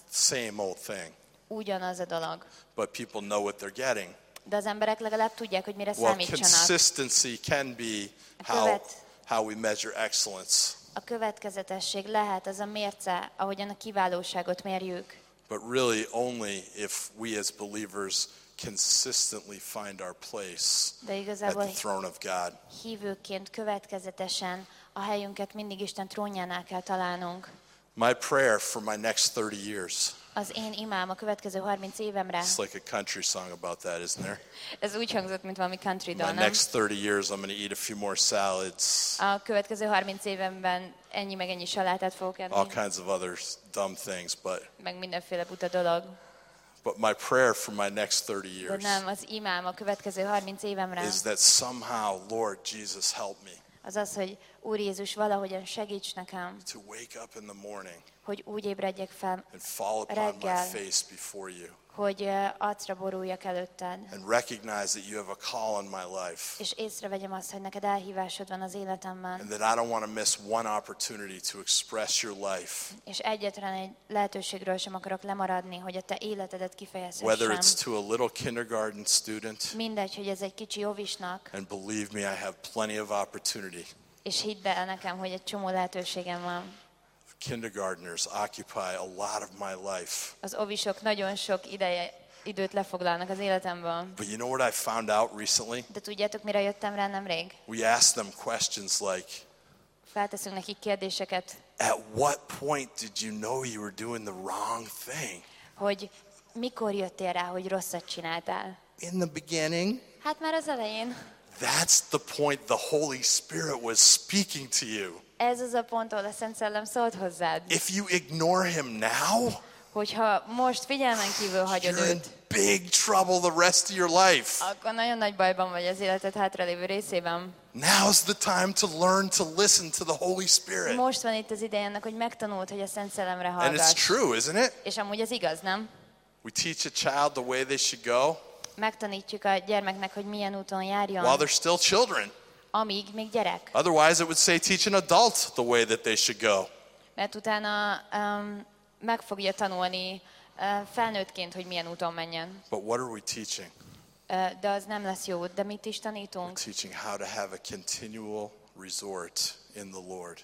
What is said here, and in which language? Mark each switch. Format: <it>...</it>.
<en>Same old thing.</en> <hu>Ugyanaz a dolog.</hu> <en>But people know what they're getting.</en> <hu>De az emberek legalább tudják, hogy mire számítsanak.</hu> <en>Consistency can be how we measure excellence.</en> <hu>A következetesség lehet az a mérce, ahogyan a kiválóságot mérjük.</hu> <en>But really only if we as believers consistently find our place at the throne of God.</en> <hu>Hívőként következetesen a helyünket mindig Isten trónjánál kell találnunk.</hu> <en>My prayer for my next 30 years.</en> <hu>Az én imám a következő 30 évemre.</hu> <en>It's like a country song about that, isn't there?</en> <hu>Ez úgy hangzott, mint valami country dal, nem?</hu> <en>My next 30 years I'm going to eat a few more salads.</en> <hu>A következő 30 évemben ennyi meg ennyi salátát fogok enni.</hu> <en>All kinds of other dumb things, but</en> <hu>meg mindenféle buta dolog.</hu> <en>But my prayer for my next 30 years.</en> <hu>De nem, az imám a következő 30 évemre.</hu> <en>Is that somehow Lord Jesus help me.</en> <hu>Az, hogy Úr Jézus valahogyan segíts nekem.</hu> <en>To wake up in the morning.</en> <hu>Hogy úgy ébredjek fel.</hu> <en>And fall upon</en> <hu>reggel,</hu> <en>my face before you.</en> <hu>Hogy arcra boruljak előtted.</hu> <en>And recognize that you have a call in my life.</en> <hu>És észrevegyem azt, hogy neked elhívásod van az életemben.</hu> <en>And that I don't want to miss one opportunity to express your life.</en> <hu>És egyetlen egy lehetőségről sem akarok lemaradni, hogy a te életedet kifejezhessem.</hu> <en>Whether it's to a little kindergarten student.</en> <hu>Mindegy, hogy ez egy kicsi óvisnak.</hu> <en>And believe me, I have plenty of opportunity.</en> <hu>És hidd el nekem, hogy egy csomó lehetőségem van.</hu> <en>Kindergartners occupy a lot of my life.</en> <hu>Az óvisok nagyon sok időt lefoglalnak az életemben.</hu> <en>But you know what I found out recently?</en> <hu>De tudjátok, mire jöttem rá nemrég?</hu> <en>We ask them questions like,</en> <hu>felteszünk nekik kérdéseket.</hu> <en>At what point did you know you were doing the wrong thing?</en> <hu>Hogy mikor jöttél rá, hogy rosszat csináltál?</hu> <en>In the beginning?</en> <hu>Hát már az elején.</hu> <en>That's the point the Holy Spirit was speaking to you.</en> <hu>Ez az a pont, ahol a Szent Szellem szólt hozzád.</hu> <en>If you ignore him now,</en> <hu>hogyha most figyelmen kívül hagyod őt,</hu> <en>you're in big trouble the rest of your life.</en> <hu>Akkor nagyon nagy bajban vagy az életed hátralévő részében.</hu> <en>Now's the time to learn to listen to the Holy Spirit.</en> <hu>Most van itt az ideje annak, hogy megtanult, hogy a Szent Szellemre hallgass.</hu> <en>And it's true, isn't it?</en> <hu>És amúgy ez igaz, nem?</hu> <en>We teach a child the way they should go.</en> <hu>Megtanítjuk a gyermeknek, hogy milyen úton járjon.</hu> <en>While they're still children.</en> <hu>Amíg még gyerek.</hu> <en>Otherwise it would say teach an adult the way that they should go.</en> <hu>Mert utána meg fogja tanulni felnőttként, hogy milyen úton menjen.</hu> <en>But what are we teaching?</en> <hu>De az nem lesz jó, de mit is tanítunk?</hu> <en>We're teaching how to have a continual resort in the Lord.</en>